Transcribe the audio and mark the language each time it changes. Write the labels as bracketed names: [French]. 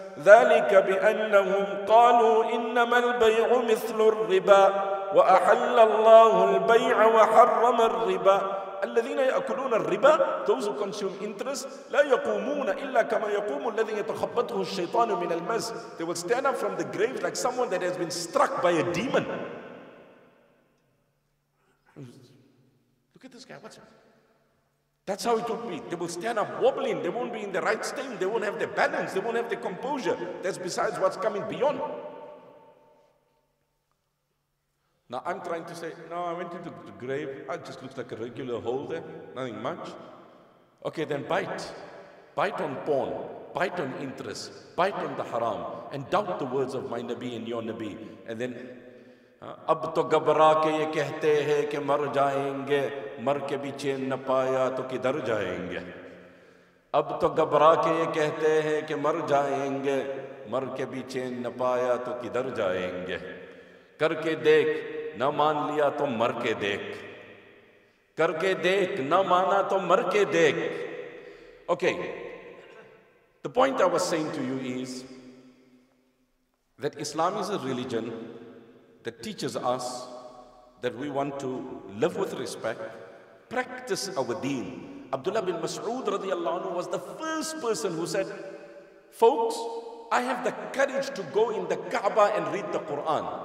[Arabic] ذلك بأنهم قالوا إنما البيع مثل الربا وأحل الله البيع وحرم الربا. الذين يأكلون الربا, [English] those who consume interest, [Arabic] لا يقومون إلا كما يقوم الذي يتخبطه الشيطان من المس. [English] They will stand up from the grave like someone that has been struck by a demon. Look at this guy, what's happening? That's how it would be. They will stand up wobbling. They won't be in the right state. They won't have the balance. They won't have the composure. That's besides what's coming beyond. Now I'm trying to say, no, I went into the grave. It just looks like a regular hole there. Nothing much. Okay, then bite. Bite on porn. Bite on interest. Bite on the haram. And doubt the words of my Nabi and your Nabi. And then, [Urdu] اب تو گھبرا کے یہ کہتے ہیں کہ مر جائیں گے مر کے بھی چین نہ پایا تو کدھر جائیں گے اب تو گھبرا کے یہ کہتے ہیں کہ مر جائیں گے مر کے بھی چین نہ پایا تو کدھر جائیں گے کر کے دیکھ نہ مان لیا تو مر کے دیکھ کر کے دیکھ نہ مانا تو مر کے دیکھ. [English] Okay, the point I was saying to you is that Islam is a religion that teaches us that we want to live with respect, practice our deen. Abdullah bin Mas'ud radiallahu anhu was the first person who said, folks, I have the courage to go in the Kaaba and read the Quran.